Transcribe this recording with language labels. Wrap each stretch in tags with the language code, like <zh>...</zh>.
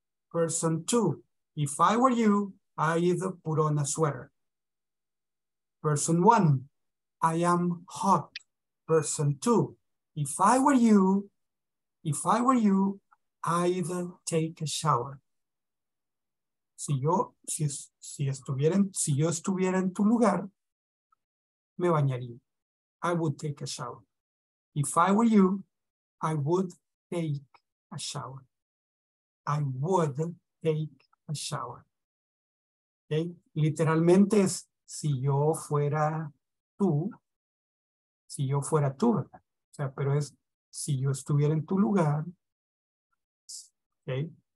<en>Person two, if I were you, I'd put on a sweater. Person one, I am hot. Person two, if I were you, I'd take a shower.</en> <es>Si yo estuviera en tu lugar, me bañaría.</es> <en>I would take a shower. If I were you, I would take a shower. I would take a shower. Okay?</en> <es>Literalmente es si yo fuera tú, ¿verdad? O sea, pero es si yo estuviera en tu lugar. Okay?</es>